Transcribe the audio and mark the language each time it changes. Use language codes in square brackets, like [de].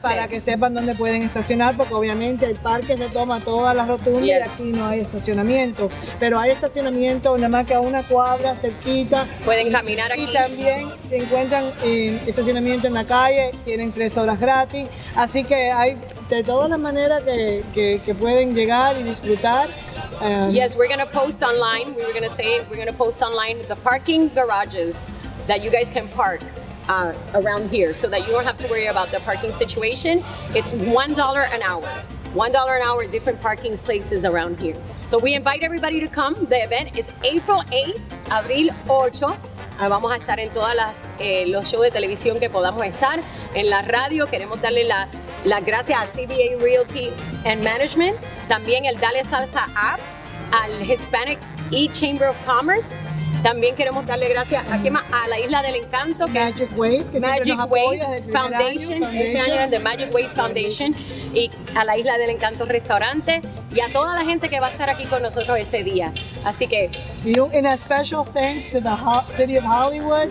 [es] Para que sepan dónde pueden estacionar, porque obviamente el parque se toma todas las rotundas y aquí no hay estacionamiento. Pero hay estacionamiento nada más que a una cuadra cerquita. Pueden caminar aquí. Y también si encuentran estacionamiento en la calle, tienen 3 horas gratis. Así que hay de todas las maneras que pueden llegar y disfrutar. [en] Yes, we're gonna post online. We're gonna post online the parking garages that you guys can park around here so that you don't have to worry about the parking situation. It's $1 an hour. $1 an hour, different parking places around here. So we invite everybody to come. The event is April 8th, Abril 8. [es] Vamos a estar en todas los shows de televisión que podamos estar. En la radio queremos darle la gracias a CBA Realty and Management. También el Dale Salsa App, al Hispanic E-Chamber of Commerce. También queremos darle gracias a la Isla del Encanto. Que Magic Ways. Que Magic Ways Foundation. Foundation. The Magic Ways Foundation. Y a la Isla del Encanto Restaurante. Y a toda la gente que va a estar aquí con nosotros ese día. Así que... [en] And a special thanks to the City of Hollywood.